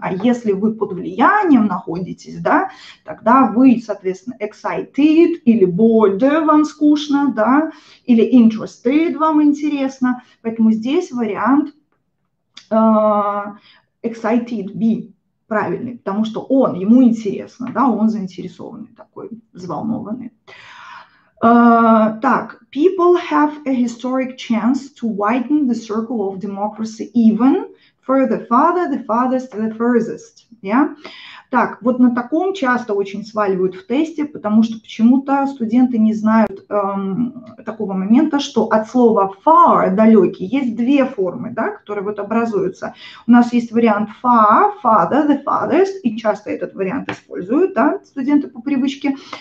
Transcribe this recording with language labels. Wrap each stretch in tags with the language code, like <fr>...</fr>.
<ru>А если вы под влиянием находитесь, да, тогда вы, соответственно, excited, или bored вам скучно, да, или interested вам интересно. Поэтому здесь вариант excited, be правильный, потому что он, ему интересно, да, он заинтересованный такой, взволнованный.</ru> <en>Так, people have a historic chance to widen the circle of democracy even further farther, the farthest, the furthest. Yeah?</en> <ru>Так, вот на таком часто очень сваливают в тесте, потому что почему-то студенты не знают такого момента, что от слова far, далекий, есть две формы, да, которые вот образуются. У нас есть вариант</ru> <en>far, father, the farthest,</en> <ru>и часто этот вариант используют, да, студенты по привычке.</ru>